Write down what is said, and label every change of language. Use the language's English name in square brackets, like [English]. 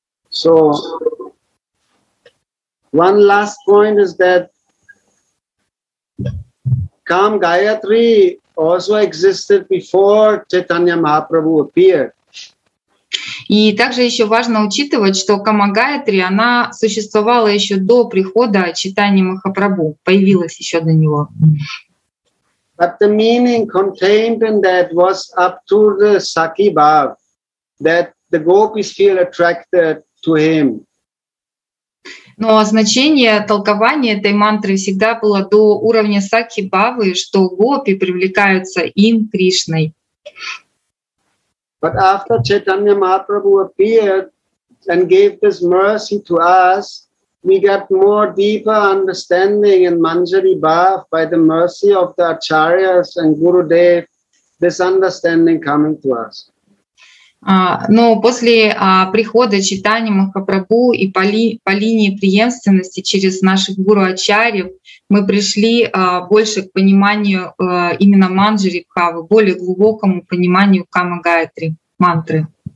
[English] So one last point is that Kam Gayatri also existed before Chaitanya Mahaprabhu appeared. [Russian] И также еще важно учитывать, что Кама Гаятри, она существовала еще до прихода Чайтаньи Махапрабху, появилась еще до него. [English] But the meaning contained in that was up to the Sakhi Bhav, that the gopis feel attracted to him. [Russian] Но значение толкования этой мантры всегда было до уровня Сакхи Бхавы, что гопи привлекаются им, Кришной. [English] But after Chaitanya Mahaprabhu appeared and gave this mercy to us, we got more deeper understanding in Manjari Bhav by the mercy of the Acharyas and Gurudev, this understanding coming to us. [Russian] Но после прихода Чайтаньи Махапрабху и по линии преемственности через наших гуру Ачарьев мы пришли больше к пониманию именно Манджари Бхавы, более глубокому пониманию Кама Гаятри, мантры.